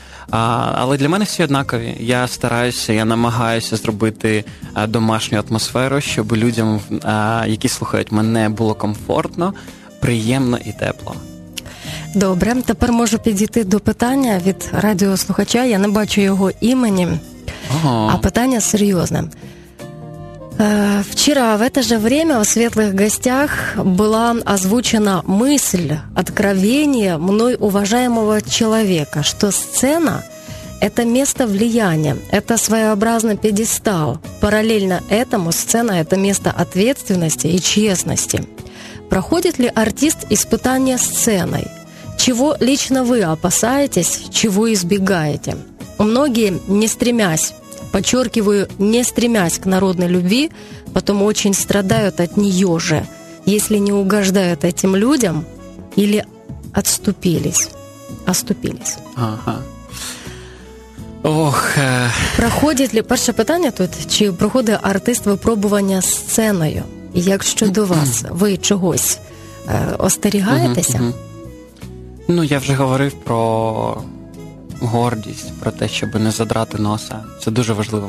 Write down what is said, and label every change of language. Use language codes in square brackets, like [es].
[uk] Але для мене всі однакові. Я стараюся, я намагаюся зробити домашню атмосферу, щоб людям, які слухають мене, було комфортно, приємно і тепло. Добре, тепер можу підійти до питання від радіослухача. Я не бачу його імені, а питання серйозне. [ru] Вчера в это же время у светлых гостях была озвучена мысль, откровение мной уважаемого человека, что сцена Это место влияния, это своеобразный пьедестал. Параллельно этому сцена – это место ответственности и честности. Проходит ли артист испытание сценой? Чего лично вы опасаетесь, чего избегаете? Многие, не стремясь, подчеркиваю, не стремясь к народной любви, потом очень страдают от нее же, если не угождают этим людям или оступились. Ага. Ох. Проходит ли, [uk] перше питання тут, чи проходить артист випробування сценою? І якщо до вас, ви чогось остерігаєтеся? Ну, я вже говорив про гордість, про те, щоб не задрати носа. Це дуже важливо.